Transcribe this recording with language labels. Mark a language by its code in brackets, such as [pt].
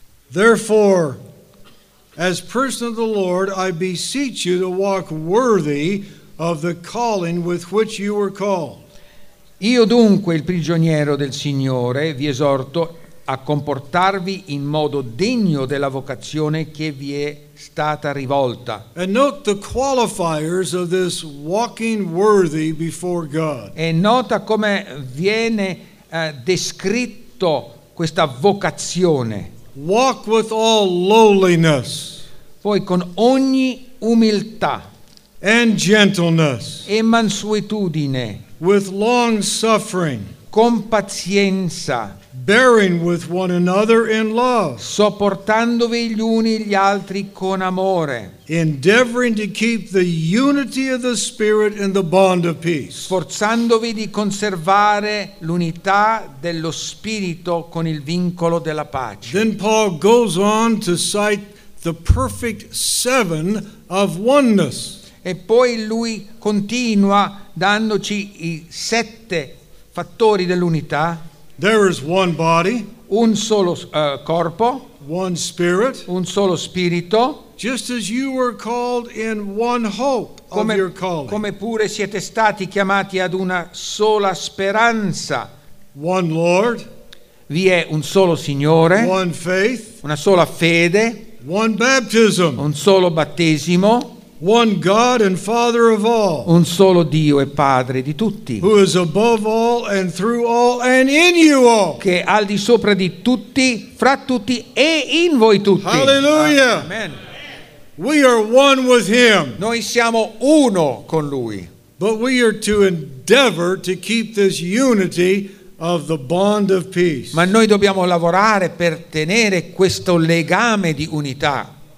[en] Therefore, as person of the Lord, I beseech you to walk worthy of the calling with which you were called. [it] Io dunque, il prigioniero del Signore, vi esorto a comportarvi in modo degno della vocazione che vi è stata rivolta. [en] And note the qualifiers of this walking worthy before God. [it] E nota come viene descritto questa vocazione. [en] Walk with all lowliness. [it] Poi con ogni umiltà. [en] And gentleness. [it] E mansuetudine. [en] With long suffering. [it] Con pazienza. [en] Bearing with one another in love. [it] Sopportandovi gli uni gli altri con amore. [en] Endeavoring to keep the unity of the Spirit in the bond of peace. [it] Sforzandovi di conservare l'unità dello Spirito con il vincolo della pace. [en] Then Paul goes on to cite the perfect seven of oneness. [it] E poi lui continua dandoci i sette fattori dell'unità. [en] There is one body. [it] Un solo corpo. [en] One spirit. [it] Un solo spirito. [en] Just as you were called in one hope [it] come, [en] of your calling. [it] Come pure siete stati chiamati ad una sola speranza. [en] One Lord. [it] Vi è un solo Signore. [en] One faith. [it] Una sola fede. [en] One baptism. [it] Un solo battesimo. [en] One God and Father of all. [it] Un solo Dio e Padre di tutti. [en] Who is above all and through all and in you all. [it] Che è al di sopra di tutti, fra tutti e in voi tutti. [en] Hallelujah. [it] Amen. [en] We are one with Him. [it] Noi siamo uno con Lui. [en] But we are to endeavor to keep this unity of the bond of peace. [it] Ma noi dobbiamo lavorare per tenere questo legame di unità.